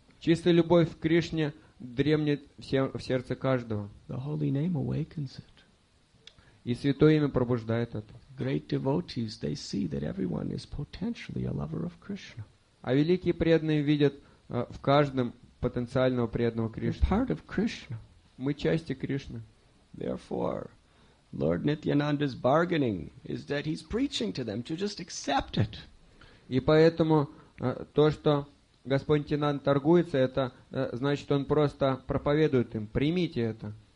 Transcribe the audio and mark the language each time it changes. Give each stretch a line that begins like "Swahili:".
Russian: Чистая любовь к Кришне дремлет в сердце каждого.
English: The holy name awakens it.
Russian: И святое имя пробуждает это.
English: Great devotees, they see that everyone is potentially a lover of Krishna.
Russian: А великие преданные видят в каждом потенциального преданного Кришны.
English: Part of Krishna.
Russian: Мы части Кришны.
English: Therefore, Lord Nityananda's bargaining is that he's preaching to them to just accept it.
Russian: И поэтому то, что Господь Нитьянанда торгуется, это значит, он просто проповедует им: примите это.